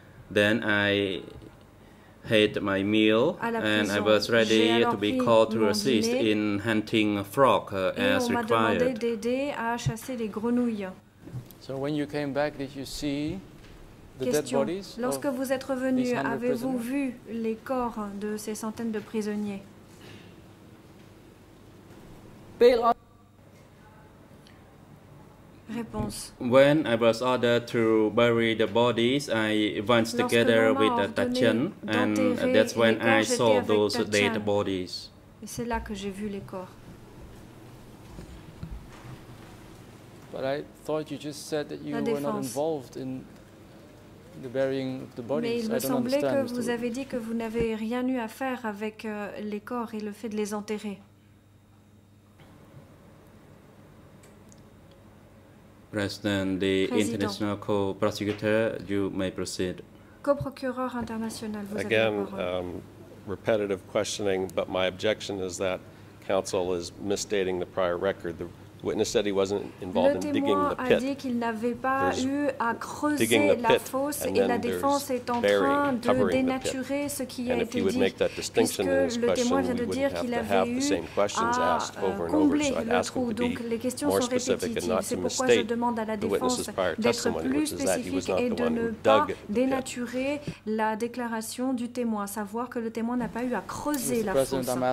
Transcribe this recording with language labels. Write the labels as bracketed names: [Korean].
[English] Then I had my meal, and I was ready to be called to assist in hunting frog as required. So when you came back, did you see the dead bodies? [French] Lorsque vous êtes revenu, avez-vous vu les corps de ces centaines de prisonniers? [English] When I was ordered to bury the bodies, I went together with Tatian, and that's when I saw those dead bodies. [French] Et c'est là que j'ai vu les corps. [English] But I thought you just said that you were not involved in the burying of the bodies. [French] Mais il me semblait que vous avez dit que vous n'avez rien eu à faire avec les corps et le fait de les enterrer. [English] President, the International Co-Prosecutor, you may proceed. [French] Co-procureur international, vous avez la parole. [English] Again, repetitive questioning, but my objection is that counsel is misstating the prior record. The witness said he wasn't involved in digging the pit. [French] Le témoin a dit qu'il n'avait pas eu à creuser la fosse, et la défense est en train de dénaturer ce qui a été dit. Puisque le témoin vient de dire qu'il avait eu à combler le trou, donc les questions sont répétitives. C'est pourquoi je demande à la défense d'être plus spécifique et de ne pas dénaturer la déclaration du témoin, savoir que le témoin n'a pas eu à creuser la fosse.